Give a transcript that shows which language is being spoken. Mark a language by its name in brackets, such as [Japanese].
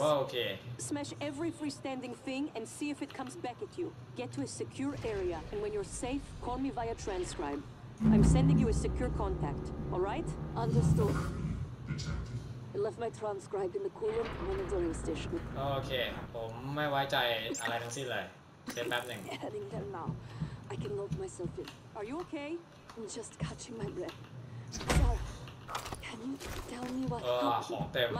[English] Okay. Smash every freestanding thing and see if it comes back at you. Get to a secure area, and when you're safe, call me via transcribe. I'm sending you a secure contact. All right? Understood. I left my transcribe in the cooler monitoring station. Okay, I'm not [Thai] ไว้ใจอะไรทั้งสิ้นเลย Wait แป๊บนึง [English] Heading there now. I can load myself in. Are you okay? I'm just catching my breath. Sarah, can you tell me what happened?